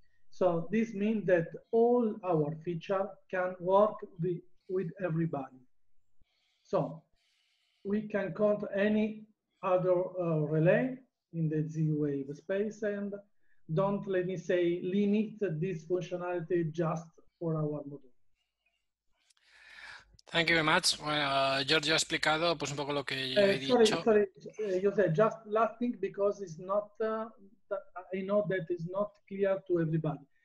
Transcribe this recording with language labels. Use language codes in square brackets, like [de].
[en] So this means that all our feature can work with everybody. So we can count any other relay in the Z-Wave space and don't, let me say, limit this functionality just for our module. Thank you very much. [es] Well, Giorgio ha explicado pues un poco lo que yo he dicho. [en] Sorry, Jose, just last thing, because it's not, I know that it's not clear to everybody.